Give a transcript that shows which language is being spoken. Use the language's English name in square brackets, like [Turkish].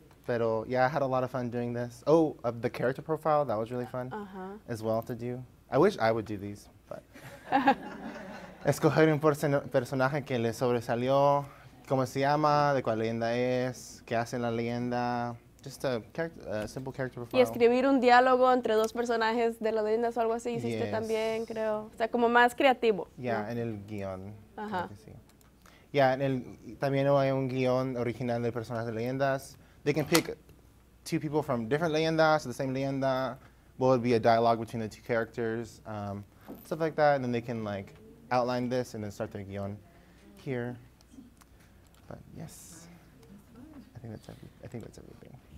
[English] Pero yeah, I had a lot of fun doing this. Oh, of the character profile, that was really fun as well to do. I wish I would do these. [Spanish] Escoger un personaje que le sobresalió, cómo se llama, de cuál leyenda es, qué hace la leyenda, [English] just a simple character profile. [Spanish] Y escribir un diálogo entre dos personajes de la leyenda o algo así hiciste también, creo. O sea, como más creativo. En el guión. También hay un guión original de personajes de leyendas. [English] They can pick 2 people from different leyendas, the same leyenda. What would be a dialogue between the 2 characters? Stuff like that, and then they can like outline this and then start their guion here. But yes, I think that's everything.